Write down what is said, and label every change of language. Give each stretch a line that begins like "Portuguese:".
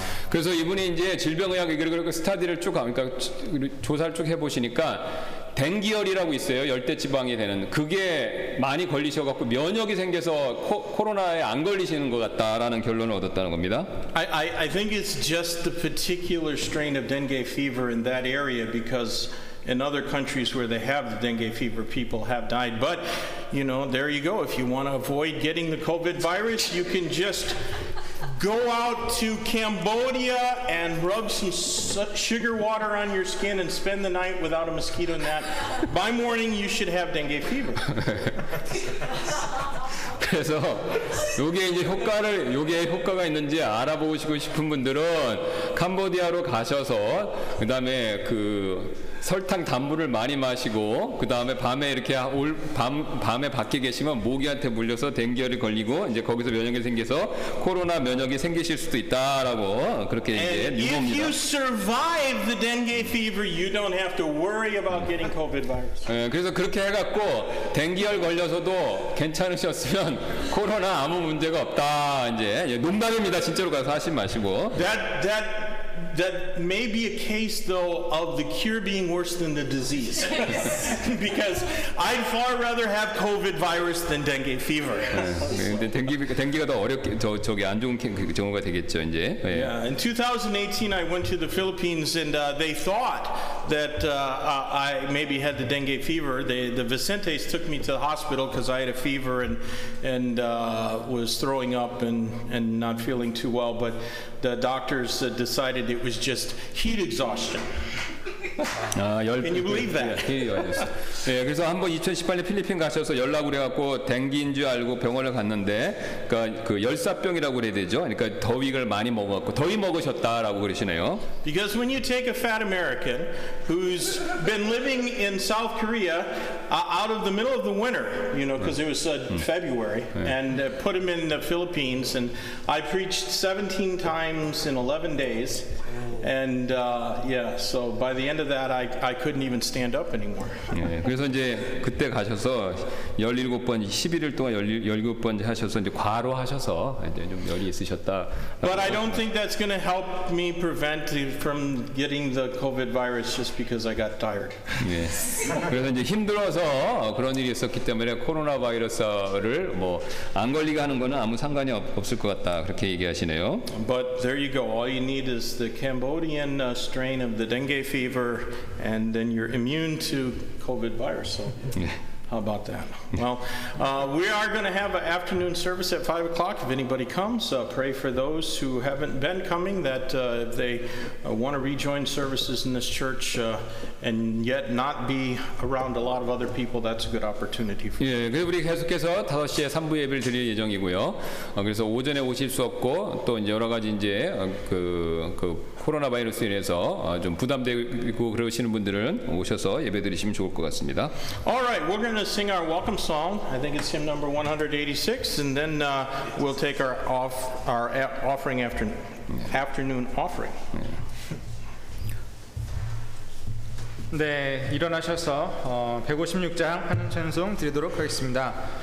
Korean: 그래서 이분이 이제 질병의학 그리고 스터디를 쭉 하니까 그러니까 조사를 쭉 해보시니까 댕기열이라고 있어요. 열대지방이 되는 그게 많이 걸리셔갖고 면역이 생겨서 코로나에 안 걸리시는 것 같다라는 결론을 얻었다는 겁니다.
English: I think it's just the particular strain of dengue fever in that area because in other countries where they have the dengue fever, people have died. But you know, there you go. If you want to avoid getting the COVID virus, you can just go out to Cambodia and rub some sugar water on your skin and spend the night without a mosquito net. By morning, you should have dengue fever.
Korean: 그래서 이게 이제 효과를 이게 효과가 있는지 알아보시고 싶은 분들은 캄보디아로 가셔서 그다음에 그 설탕 단물을 많이 마시고 그다음에 밤에 이렇게 밤에 밖에 계시면 모기한테 물려서 댕기열이 걸리고 이제 거기서 면역이 생겨서 코로나 면역이 생기실 수도 있다라고 그렇게 이제 유보합니다.
English: If you survive the dengue fever, you don't have to worry about getting COVID virus.
Korean: 예, 그래서 그렇게 해갖고 댕기열 걸려서도 괜찮으셨으면. 코로나 아무 문제가 없다 이제 농담입니다 진짜로 가서 하신 마시고.
English: That may be a case though of the cure being worse than the disease. Because I'd far rather have COVID virus than dengue fever.
Korean: 근데 댕기가 더 어렵게 저기 안 좋은 경우가 되겠죠 이제.
English: Yeah, in 2018 I went to the Philippines and they thought that I maybe had the dengue fever. The Vicentes took me to the hospital because I had a fever and was throwing up and not feeling too well, but the doctors decided it was just heat exhaustion. Can you believe that?
Korean: 예, 그래서 한번 2018년 필리핀 가셔서 열라고 그래갖고 댕기인 줄 알고 병원을 갔는데 그 열사병이라고 그래야 되죠. 그러니까 더위를 많이 먹었고 더위 먹으셨다라고 그러시네요.
English: Because when you take a fat American who's been living in South Korea out of the middle of the winter, you know, because it was February, and put him in the Philippines, and I preached 17 times in 11 days. And yeah, so by the end of that, I couldn't even stand up anymore.
Korean: 예, 그래서 이제 그때 가셔서 17번 11일 동안 17번 하셔서 이제 과로하셔서 이제 좀 열이 있으셨다.
English: But I don't think that's going to help me prevent from getting the COVID virus just because I got tired.
Korean: 예, 그래서 이제 힘들어서 그런 일이 있었기 때문에 코로나 바이러스를 뭐 안 걸리게 하는 거는 아무 상관이 없을 것 같다 그렇게 얘기하시네요.
English: But there you go. All you need is the Cambodian strain of the dengue fever, and then you're immune to COVID virus. So, how about that? Well, we are going to have an afternoon service at 5 o'clock. If anybody comes, pray for those who haven't been coming that if they want to rejoin services in this church and yet not be around a lot of other people, that's a good opportunity for them.
Korean: 예, 우리 계속해서 5시에 3부 예배를 드릴 예정이고요. 그래서 오전에 오실 수 없고 또 이제 여러 가지 이제 그 코로나 바이러스에 대해서 좀 부담되고 그러시는 분들은 오셔서 예배 드리시면 좋을 것 같습니다.
English: All right, we're going to sing our welcome song. I think it's hymn number 186, and then we'll take our afternoon offering.
Korean: 네, 일어나셔서 156장 환영 찬송 드리도록 하겠습니다.